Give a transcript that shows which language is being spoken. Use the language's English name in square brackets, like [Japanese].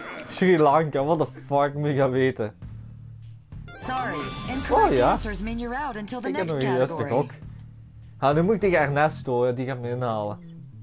[Dutch] Sri Lanka, [English] what the fuck [Dutch] moet ik weten? [English] Sorry, incorrect answers mean you're out until the next category. [Dutch] Ik heb ook. Ja, nu moet ik tegen Ernesto, die gaat me inhalen.